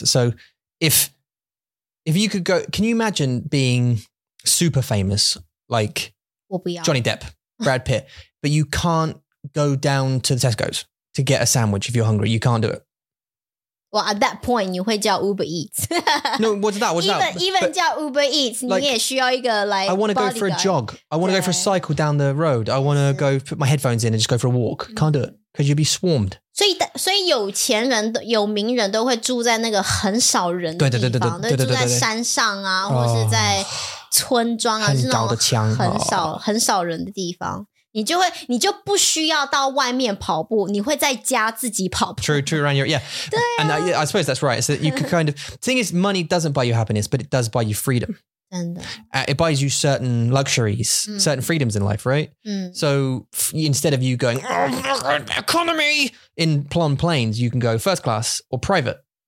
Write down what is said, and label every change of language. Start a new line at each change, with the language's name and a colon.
English: So if you could go, can you imagine being super famous, like Johnny Depp, Brad Pitt, but you can't go down to the Tesco's to get a sandwich if you're hungry. You can't do it. Well, at that point,
Chinese: 你会叫
English: Uber Eats.
Chinese: No, 我知道，我知道。 Even 叫 Uber Eats, 你也需要一个 like
English: I want to go for a jog. I want to go for a cycle down the road. I want to go put my headphones in and just go for a walk. Can't do it, because you'd be swarmed.
Chinese: 所以有钱人、有名人都会住在那个很少人的地方，都住在山上啊，或是在村庄啊，是那种很少人的地方。你就不需要到外面跑步，你会在家自己跑步。
English: True, around your, yeah.
Chinese: 对啊。
English: And I suppose that's right. So you can kind of, thing is, money doesn't buy you happiness, but it does buy you freedom.
Chinese: 真的。
English: It buys you certain luxuries, certain freedoms in life, right? So instead of you going, economy, in planes, you can go first class or private.